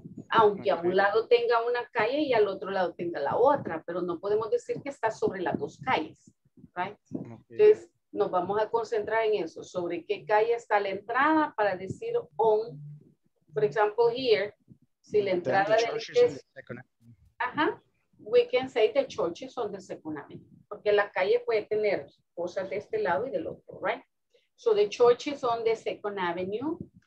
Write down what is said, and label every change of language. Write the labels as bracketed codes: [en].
[es] Aunque okay. A un lado tenga una calle y al otro lado tenga la otra, pero no podemos decir que está sobre las dos calles. Right? Okay. Entonces, nos vamos a concentrar en eso. ¿Sobre qué calle está la entrada? Para decir on, por ejemplo, here, si la entrada [en] the [es] es... [en] Ajá, we can say the churches on the Second Avenue. [es] Porque la calle puede tener cosas de este lado y del otro, right? [en] So the church is on the Second Avenue.